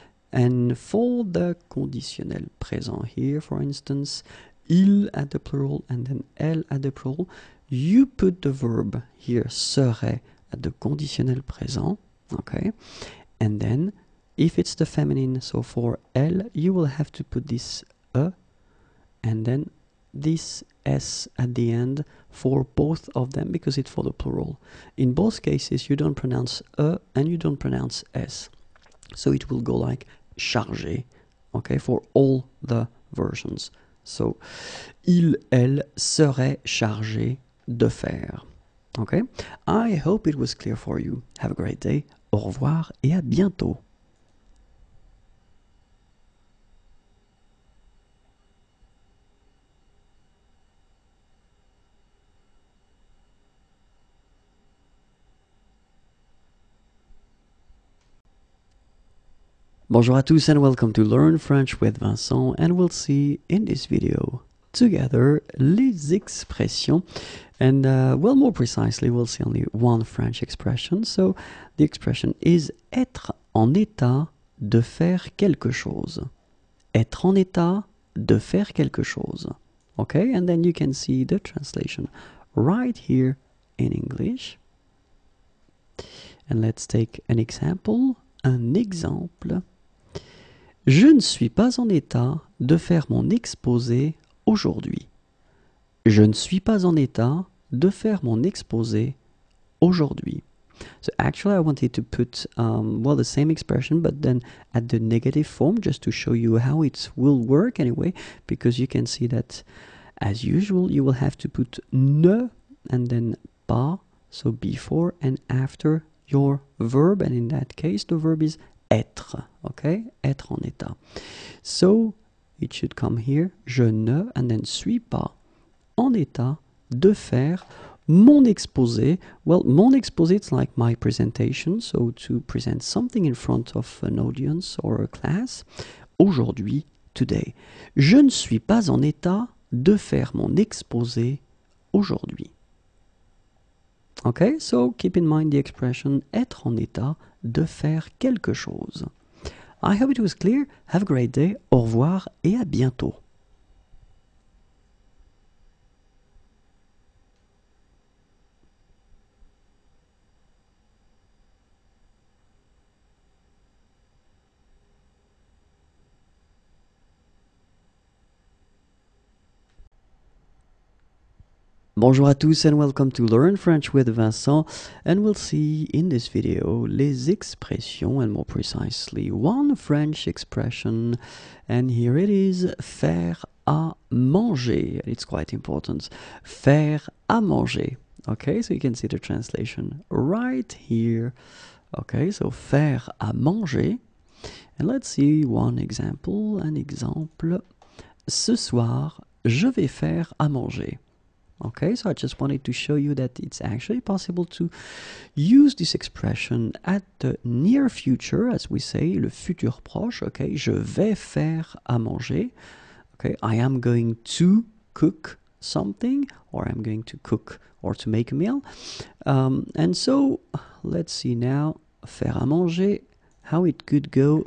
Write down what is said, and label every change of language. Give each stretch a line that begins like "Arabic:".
English: And for the conditionnel présent here, for instance, il at the plural and then elle at the plural, you put the verb here, serait, at the conditionnel présent, okay, and then if it's the feminine, so for elle, you will have to put this e, and then this s at the end for both of them, because it's for the plural. In both cases, you don't pronounce e, and you don't pronounce s. So it will go like chargé, okay, for all the versions.
French: So, il, elle serait chargé de faire.
English: Okay, I hope it was clear for you. Have a great day,
French: au revoir, et à bientôt. Bonjour à tous
English: and welcome to Learn French with Vincent, and we'll see in this video together les expressions, and well, more precisely, we'll see only one French expression. So the expression is
French: être en état de faire quelque chose. Être en état de faire quelque chose.
English: Okay, and then you can see the translation right here in English. And let's take an example.
French: Un exemple. Je ne suis pas en état de faire mon exposé aujourd'hui. Je ne suis pas en état de faire mon exposé aujourd'hui.
English: So actually, I wanted to put, well, the same expression, but then at the negative form, just to show you how it will work anyway, because you can see that, as usual, you will have to put ne and then pas, so before and after your verb, and in that case, the verb is être, okay?
French: Être en état.
English: So, it should come here,
French: je ne, and then suis pas en état de faire mon exposé.
English: Well, mon exposé, it's like my presentation, so to present something in front of an audience or a class, aujourd'hui, today.
French: Je ne suis pas en état de faire mon exposé aujourd'hui.
English: Okay, so keep in mind the expression
French: être en état de faire quelque chose.
English: I hope it was clear. Have a great day.
French: Au revoir et à bientôt. Bonjour à tous
English: and welcome to Learn French with Vincent, and we'll see in this video les expressions, and more precisely one French expression, and here it is,
French: faire à manger.
English: It's quite important,
French: faire à manger.
English: Okay, so you can see the translation right here. Okay, so
French: faire à manger,
English: and let's see one example. An example,
French: ce soir je vais faire à manger.
English: Okay, so I just wanted to show you that it's actually possible to use this expression at the near future, as we say, le futur proche, okay,
French: je vais faire à manger,
English: okay, I am going to cook something, or I'm going to cook or to make a meal, and so let's see now, faire à manger, how it could go.